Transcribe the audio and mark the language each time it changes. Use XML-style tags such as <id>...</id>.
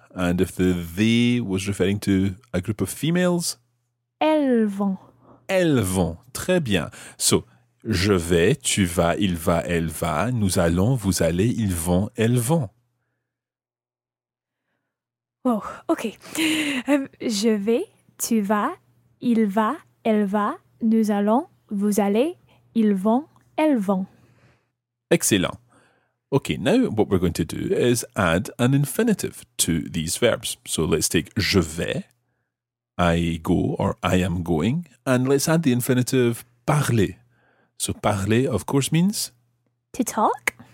<en>And if the they was referring to a group of females.</en> <fr>Elles vont. Elles vont. Très bien. So, je vais, tu vas, il va, elle va. Nous allons, vous allez, ils vont, elles vont. Oh, okay. Je vais. Tu vas, il va, elle va, nous allons, vous allez, ils vont, elles vont.</fr> <en>Excellent. Okay, now what we're going to do is add an infinitive to these verbs. So let's take</en> <fr>je vais,</fr> <en>I go or I am going, and let's add the infinitive parler. So parler, of course, means? To talk.</en>